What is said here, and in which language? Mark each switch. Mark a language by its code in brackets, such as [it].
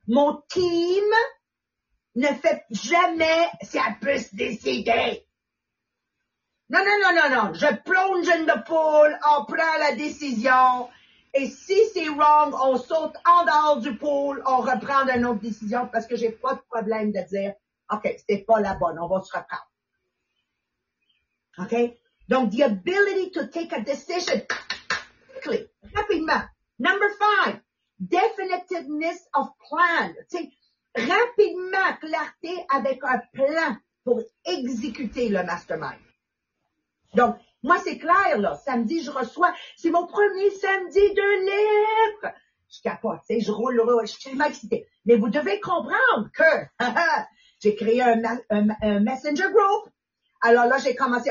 [fr] Mon team ne fait jamais si elle peut se décider. Non. Je plonge [en] in the pool, [fr] on prend la décision. Et si c'est [en] wrong, [fr] on saute en dehors du pool, on reprend une autre décision parce que j'ai pas de problème de dire, OK, c'était pas la bonne, on va se reprendre. OK? Donc, [en] the ability to take a decision quickly. [fr] Rapidement. [en] Number 5, definitiveness of plan. [fr] Tu sais, rapidement, clarté avec un plan pour exécuter le mastermind. Donc, moi, c'est clair, là. Samedi, je reçois. C'est mon premier samedi de libre. Je capote, tu sais, je roule, je suis tellement excitée. Mais vous devez comprendre que j'ai créé un messenger group. Alors là, j'ai commencé.